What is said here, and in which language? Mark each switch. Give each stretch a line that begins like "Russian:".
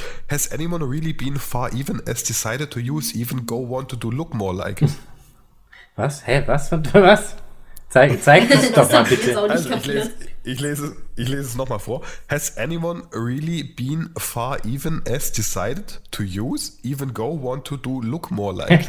English: Has anyone really been far even as decided to use even go want to do look more like?
German: Was? Hä? Was? Zeig es doch mal bitte. Also ich lese es nochmal vor.
English: Has anyone really been far even as decided to use even go want to do look more like?